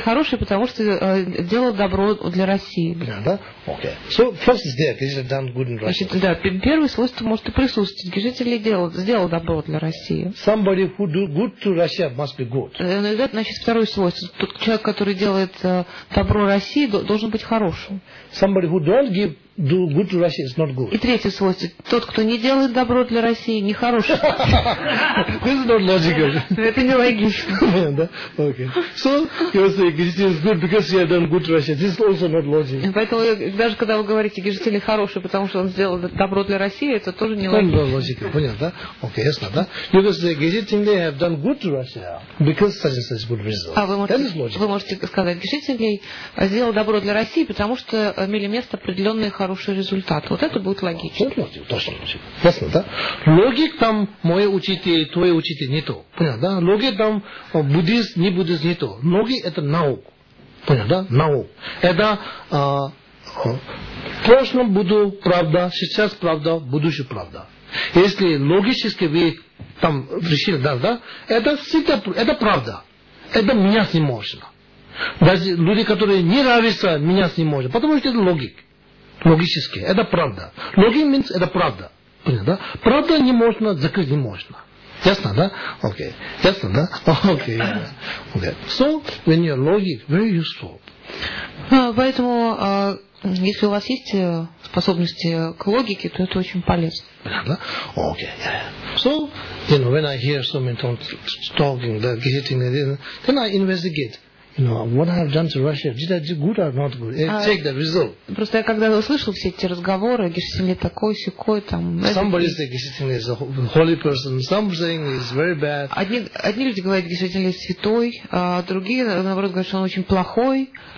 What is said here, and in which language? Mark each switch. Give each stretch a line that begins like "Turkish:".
Russian: хорошая, потому что делал добро для России. Да? Окей.
English: So first is there, Гесетинга done good in Russia.
Russian: Значит, да, первое свойство может и присутствовать. Гесетинга сделал добро для России.
English: Somebody who do good to Russia must be good.
Russian: Значит, второе свойство. Тот человек, который делает добро России, должен быть хорошим.
English: Somebody who don't give do good to Russia is not good.
Russian: И третье свойство. Тот, кто не делает добро для России, не хороший.
English: This is not logical.
Russian: Это не логично. Да? Окей.
English: So, you would say, Кришна is good because he has done good to Russia. This is also not logical.
Russian: Поэтому, даже когда вы говорите, Кришна хороший, потому что он сделал добро для России, это тоже не логично.
English: Not logical.
Russian: Понятно, да? Окей, ясно, да?
English: You would say, Кришна has done good to Russia because such and such good result.
Russian: А вы можете сказать, Кришна сделал добро для России, потому что имели место определенные хороший результат. Вот это будет логично. Ясно, да? Логик там мой учитель, твой учитель не то. Понятно, да? Логик там буддист, не буддист, не то. Логик это наука. Понятно, да? Наука. Это в прошлом буду правда, сейчас правда, в будущем правда. Если логически вы там решили, да, это всегда, это правда. Это менять не можно. Даже люди, которые не нравятся, менять не можно. Потому что это логик. Логически. Это правда. Логин means это правда. Понятно, да? Правда не можно, закрыть не можно. Ясно, да? Окей. Okay. Ясно, да? Окей. Okay.
English: So, when you're logic, very useful.
Russian: Поэтому, если у вас есть способности к логике, то это очень полезно. Понятно, да? Окей.
English: So, you know, when I hear someone talking, getting it in, then I investigate. You know, what I have done to Russia, did I do good or not good? Take the result.
Russian: Просто я когда услышал все эти разговоры, Гесетинга такой, сякой, там...
English: Somebody says Гесетинга is a holy person, something is very bad.
Russian: Одни люди говорят, Гесетинга святой, а другие, наоборот, говорят, что он очень плохой.